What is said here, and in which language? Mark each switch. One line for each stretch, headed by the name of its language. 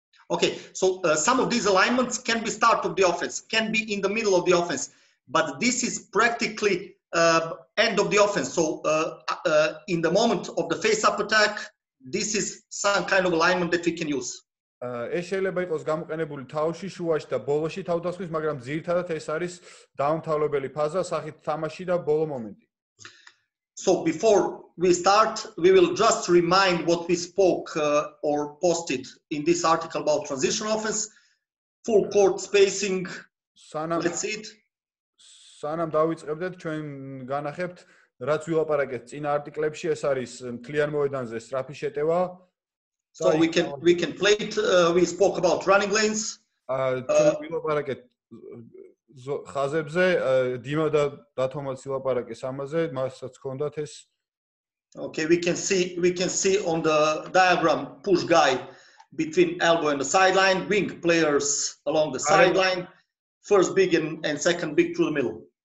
English: Okay, so some of these alignments can be start of the offense, can be in the middle of the offense, but this is practically end of the offense. So in the moment of the face up attack, this is some kind of alignment that we can use.
Georgian: ეს შეიძლება იყოს გამოყენებული თავში, შუაში და ბოლოში თავდასხმის, მაგრამ ძირითადად ეს არის დაუმთავრებელი ფაზა სახით თამაში და ბოლო მომენტი.
English: So before we start, we will just remind what we spoke or posted in this article about transition offense, full court spacing. Let's see it.
Georgian: სანამ დავიწყებდეთ, ჩვენ განახებთ რაც ვილაპარაკეთ წინა არტიკლებში, ეს არის მთლიან მოედანზე სტრაფი შეტევა.
English: So we can play it. We spoke about running lanes.
Georgian: ვილაპარაკეთ ხაზებზე, დიმა და დათომაც ვილაპარაკეს ამაზე, მასაც ჰქონდათ ეს.
English: Okay, we can see on the diagram push guy between elbow and the sideline, wing players along the sideline, first big and second big through the middle.